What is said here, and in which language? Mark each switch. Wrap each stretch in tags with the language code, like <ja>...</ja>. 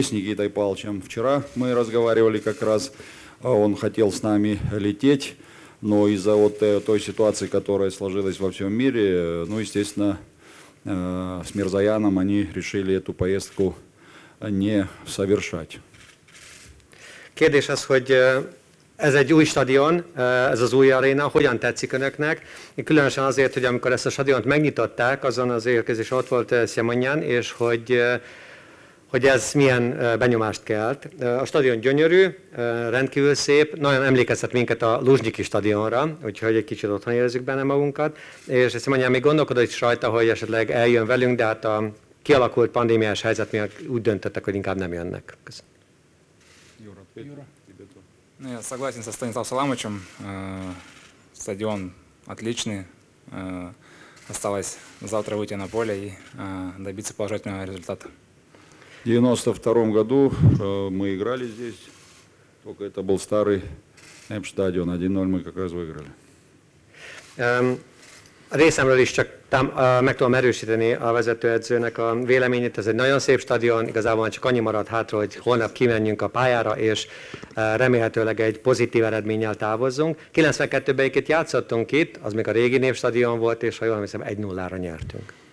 <ru>С Никитой Павловичем вчера мы разговаривали как раз, он хотел с нами лететь, но из-за вот той ситуации, которая сложилась во всем мире, ну, естественно, с Мирзояном они решили эту поездку не совершать.</ru> <hu>Кедеш, ez egy új stadion, ez az új aréna, hogyan tetszik önöknek? Különösen azért, hogy amikor ezt a stadiont megnyitották, azon az érkezés ott volt Szemonyán, és hogy ez milyen benyomást kelt. A stadion gyönyörű, rendkívül szép, nagyon emlékeztet minket a Luzsnyiki stadionra, úgyhogy egy kicsit otthon érezzük benne magunkat, és Szemonyán még gondolkodott is rajta, hogy esetleg eljön velünk, de hát a kialakult pandémiás helyzet miatt úgy döntöttek, hogy inkább nem jönnek. Köszönöm.</hu> <ru>Ну, я согласен со Станиславом Саламовичем. Стадион отличный. Осталось завтра выйти на поле и добиться положительного результата. В 92-м году мы играли здесь. Только это был старый М-стадион. 1-0 мы как раз выиграли.</ru> <hu>Részemről is csak meg tudom erősíteni a vezetőedzőnek a véleményét. Ez egy nagyon szép stadion, igazából már csak annyi maradt hátra, hogy holnap kimenjünk a pályára, és remélhetőleg egy pozitív eredménnyel távozzunk. 92-ben egyébként játszottunk itt, az még a régi névstadion volt, és ha jól emlékszem, 1-0-ra nyertünk.</hu>